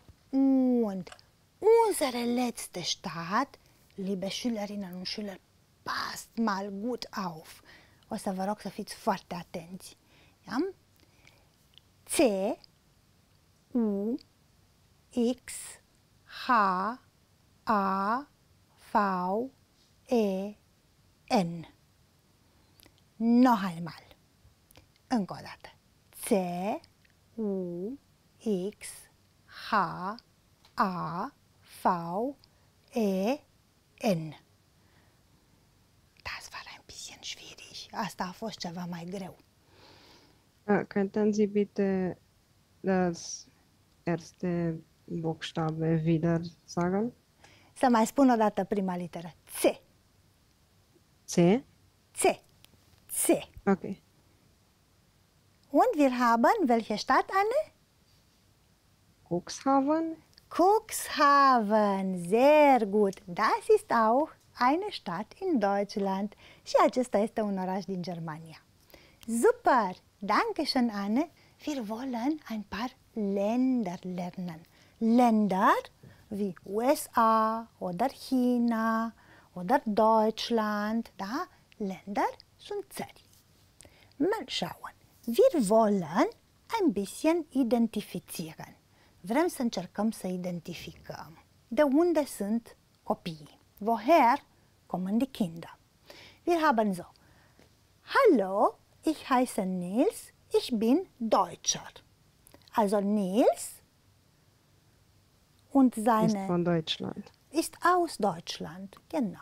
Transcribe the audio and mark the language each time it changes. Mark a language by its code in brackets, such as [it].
[de] Und unsere letzte Stadt, liebe Schülerinnen und Schüler, passt mal gut auf. [ro] O să vă rog să fiți foarte atenți. [de] Ja? C, U, X, H, A, V, E, N. Noch einmal. [ro] Încă o dată. [de] C, U, X, H, A, V, E, N. Das war ein bisschen schwierig. [ro] Asta a fost ceva mai greu. [de] Könnten Sie bitte das erste Buchstabe wieder sagen? [ro] Să mai spun o dată prima literă. C. [de] C. Okay. Und wir haben welche Stadt, Anne? Cuxhaven. Cuxhaven, sehr gut. Das ist auch eine Stadt in Deutschland. [ro] Și acesta este un oraș din Germania. [de] Super! Danke schön, Anne. Wir wollen ein paar Länder lernen. Länder wie USA oder China oder Deutschland. Da? [ro] Länder sunt țări. [de] Mal schauen. Wir wollen ein bisschen identifizieren. [ro] Vrem să încercăm să identificăm. De unde sunt copiii? [de] Woher kommen die Kinder? Wir haben so. Hallo, ich heiße Nils, ich bin Deutscher. Also Nils und seine... Ist von Deutschland. Ist aus Deutschland, genau.